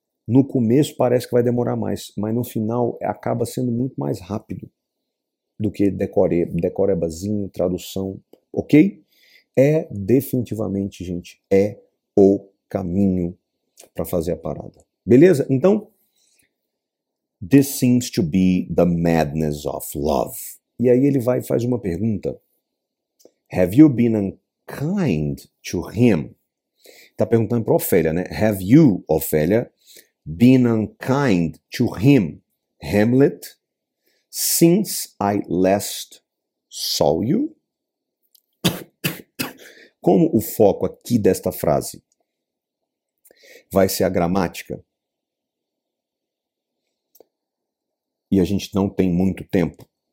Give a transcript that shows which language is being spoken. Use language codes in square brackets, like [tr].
[pt] No começo parece que vai demorar mais, mas no final acaba sendo muito mais rápido do que decorebazinho, tradução, ok? É definitivamente, gente, é o caminho para fazer a parada. Beleza? [en] Então, this seems to be the madness of love. [pt] E aí ele vai e faz uma pergunta. [en] Have you been unkind to him? [pt] Tá perguntando para Ofélia, né? [en] Have you, Ofélia, been unkind to him, Hamlet, since I last saw you? [pt] Como o foco aqui desta frase vai ser a gramática, e a gente não tem muito tempo.